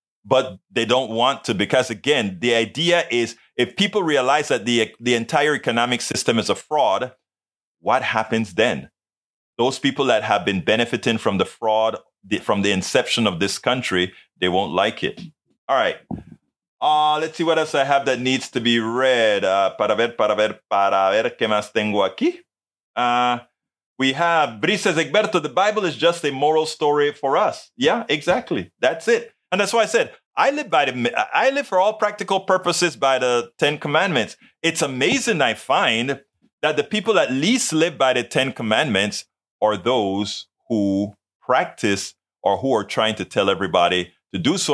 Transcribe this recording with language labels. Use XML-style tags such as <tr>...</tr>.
<en>But they don't want to, because again, the idea is if people realize that the entire economic system is a fraud, what happens then? Those people that have been benefiting from the fraud from the inception of this country, they won't like it. All right. Let's see what else I have that needs to be read.</en> <es>Para ver qué más tengo aquí.</es> <en>We have Brice says, Egberto, the Bible is just a moral story for us. Yeah, exactly. That's it. And that's why I said, I live for all practical purposes by the Ten Commandments. It's amazing, I find, that the people that least live by the Ten Commandments are those who practice or who are trying to tell everybody to do so.</en>